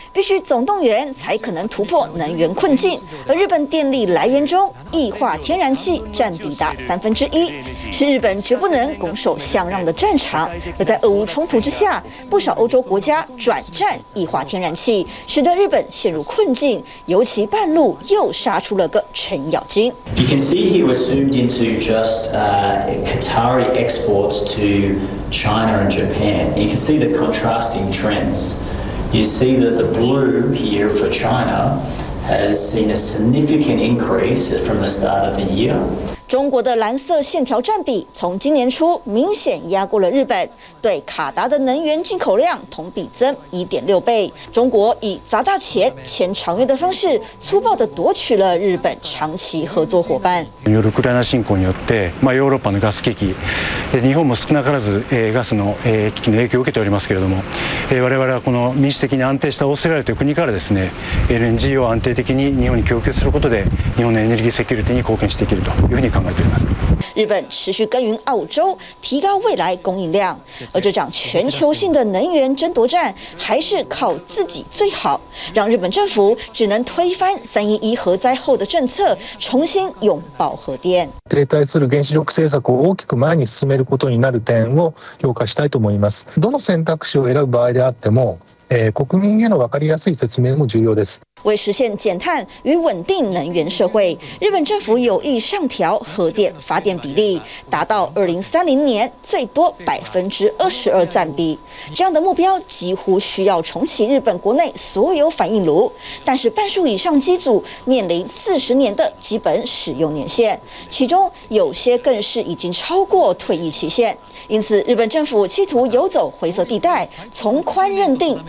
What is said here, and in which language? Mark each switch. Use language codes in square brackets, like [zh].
[zh] 必須总动员才可能突破能源困境。而日本电力来源中液化天然气占比达1/3，是日本绝不能拱手相让的战场。而在俄乌冲突之下，不少欧洲国家转战液化天然气，使得日本陷入困境，尤其半路又杀出了个程咬金。 [en] You can see he was zoomed into just Qatari exports to China and Japan. You can see the contrasting trends. You see that the blue here for China has seen a significant increase from the start of the year. [zh] 中国的蓝色线条占比从今年初明显压过了日本，对卡达的能源进口量同比增1.6倍。中国以砸大钱签长约的方式，粗暴地夺取了日本长期合作伙伴。 [ja] ウクライナ侵攻によって、ヨーロッパのガス危機、日本も少なからずガスの危機の影響を受けておりますけれども、我々はこの民主的に安定したオーストラリアという国からですね、LNG を安定的に日本に供給することで、日本のエネルギーセキュリティに貢献していけるというふうに。 [zh] 日本持续耕耘澳洲，提高未来供应量，而这场全球性的能源争夺战还是靠自己最好，让日本政府只能推翻311核灾后的政策，重新拥抱核电。 [ja] 停滞する原子力政策を大きく前に進めることになる点を評価したいと思います。どの選択肢を選ぶ場合であっても、国民への分かりやすい説明も重要です。 [zh] 为实现减碳与稳定能源社会，日本政府有意上调核电发电比例，达到2030年最多22%占比。这样的目标几乎需要重启日本国内所有反应炉，但是半数以上机组面临40年的基本使用年限，其中有些更是已经超过退役期限。因此，日本政府企图游走灰色地带，从宽认定